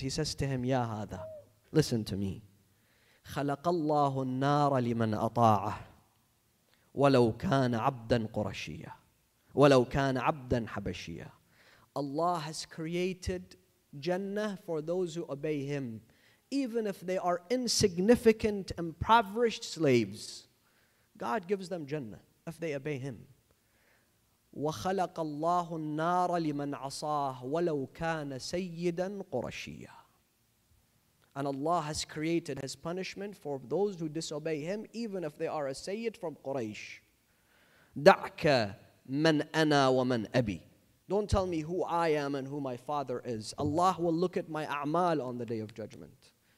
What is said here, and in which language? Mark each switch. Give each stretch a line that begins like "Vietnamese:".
English: He says to him, Ya Hada, listen to me.
Arabic: خلق الله النار لمن أطاعه ولو كان عبدا قرشيا ولو كان عبدا حبشيا.
English: Allah has created Jannah for those who obey Him, even if they are insignificant, impoverished slaves. God gives them Jannah if they obey Him.
Arabic: وخلق الله النار لمن عصاه ولو كان سيدا قرشيا.
English: And Allah has created His punishment for those who disobey Him, even if they are a Sayyid from Quraysh.
Arabic: دَعْكَ مَنْ أَنَا وَمَنْ أَبِي.
English: Don't tell me who I am and who my father is. Allah will look at my a'mal on the Day of Judgment.